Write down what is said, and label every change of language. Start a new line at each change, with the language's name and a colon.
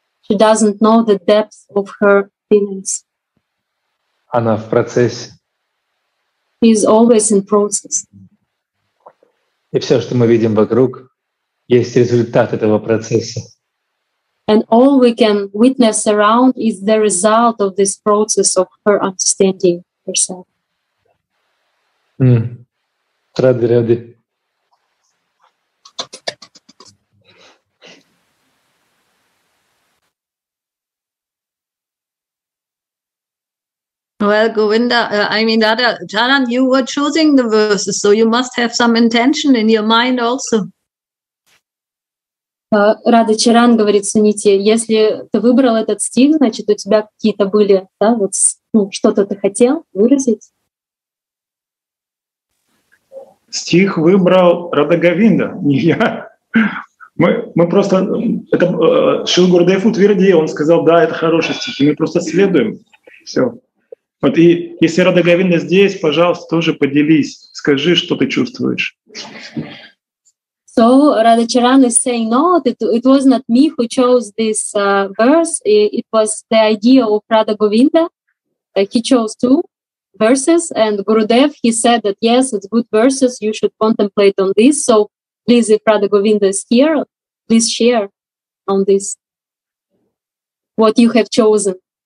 English: She doesn't know the depth of her feelings.
Russian: Она в процессе.
English: She is always in process.
Russian: И все, что мы видим вокруг, есть результат этого процесса.
English: And all we can witness around is the result of this process of her understanding herself.
Russian: Рады.
English: Well, Govinda, Dada, Janan, you were choosing the verses, so you must have some intention in your mind also.
Russian: Рада Чаран говорит Суните, если ты выбрал этот стих, значит, у тебя какие-то были, да, вот, ну, что-то ты хотел выразить. Стих выбрал Рада Говинда, не я. Мы просто... Это Шил Гурудев утвердил, он сказал, да, это хороший стих, и мы просто следуем. Все. Вот и если Рада Говинда здесь, пожалуйста, тоже поделись. Скажи, что ты чувствуешь.
English: So, Radha Charan is saying, no, it was not me who chose this verse. It was the idea of Radha Govinda. He chose two. Verses and Gurudev, he said that yes, it's good verses. You should contemplate on this. So please, if Radha Govinda is here, please share on this what you have chosen.